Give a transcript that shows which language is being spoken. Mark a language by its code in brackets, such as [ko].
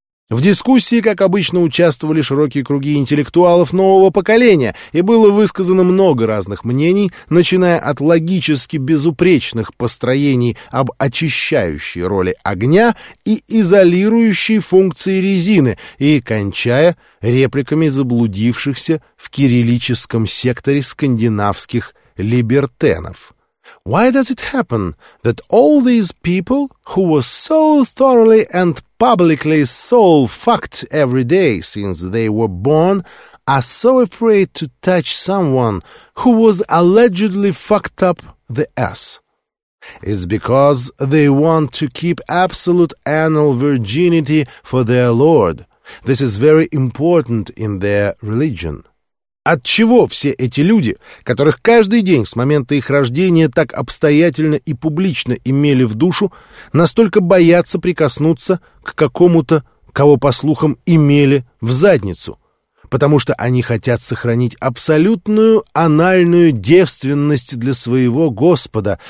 [ru] В дискуссии, как обычно, участвовали широкие круги интеллектуалов нового поколения, и было высказано много разных мнений, начиная от логически безупречных построений об очищающей роли огня и изолирующей функции резины, и кончая репликами заблудившихся в кириллическом секторе скандинавских либертенов. [en] Why does it happen that all these people who were so thoroughly and publicly soul fucked every day since they were born are so afraid to touch someone who was allegedly fucked up the ass? It's because they want to keep absolute anal virginity for their lord. This is very important in their religion. [ru] Отчего все эти люди, которых каждый день с момента их рождения так обстоятельно и публично имели в душу, настолько боятся прикоснуться к какому-то, кого, по слухам, имели в задницу? Потому что они хотят сохранить абсолютную анальную девственность для своего Господа.